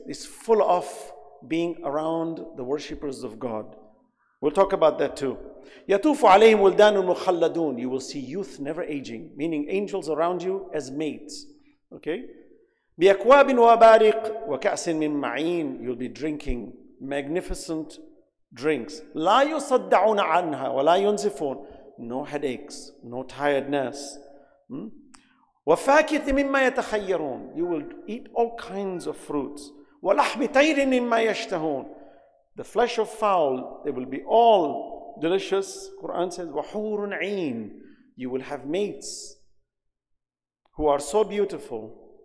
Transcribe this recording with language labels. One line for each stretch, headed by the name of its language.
English: It's full of being around the worshippers of God. We'll talk about that too.
Arabic: Yatufu alayhim wildanun mukhalladun.
English: You will see youth never aging, meaning angels around you as mates. Okay?
Arabic: Biakwabin wa bariq wa ka'sin min ma'in.
English: You'll be drinking magnificent drinks.
Arabic: لا يصدعون عنها ولا ينزفون.
English: No headaches, no tiredness.
Arabic: وفاكهة مما يتخيرون.
English: You will eat all kinds of fruits.
Arabic: ولحم طير مما يشتهون.
English: The flesh of fowl, they will be all delicious. Quran says
Arabic: وحور عين.
English: You will have mates who are so beautiful.